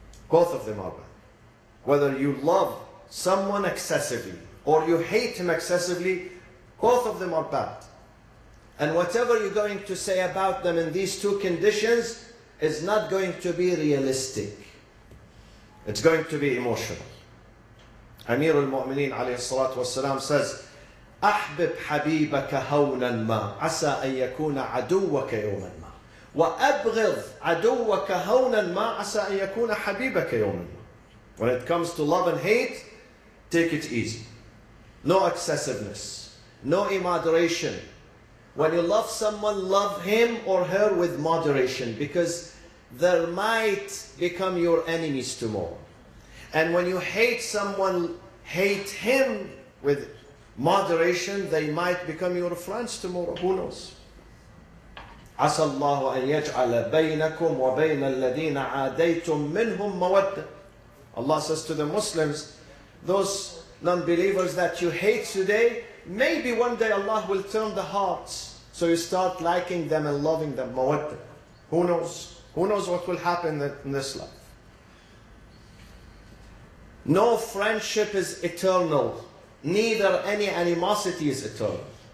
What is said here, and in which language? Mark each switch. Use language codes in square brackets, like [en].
[en] Both of them are bad. Whether you love someone excessively or you hate him excessively, both of them are bad. And whatever you're going to say about them in these two conditions is not going to be realistic. It's going to be emotional. Amir al-Mu'mineen alayhi salatu wasalam says, [ar] أحبب حبيبك هونا ما عسى أن يكون عدوك يوما ما وأبغض عدوك هونا ما عسى أن يكون حبيبك يوما ما. [en] When it comes to love and hate, take it easy. No excessiveness, no immoderation. When you love someone, love him or her with moderation, because they might become your enemies tomorrow. And when you hate someone, hate him with moderation, they might become your friends tomorrow. Who knows? [ar] عَسَى اللَّهُ أَن يَجْعَلَ بَيْنَكُمْ وَبَيْنَ الَّذِينَ عَادَيْتُمْ مِنْهُمْ مَوَدَّةً. [en] Allah says to the Muslims, those non-believers that you hate today, maybe one day Allah will turn the hearts so you start liking them and loving them. Mawadda. Who knows? Who knows what will happen in this life? No friendship is eternal. Neither any animosity is eternal.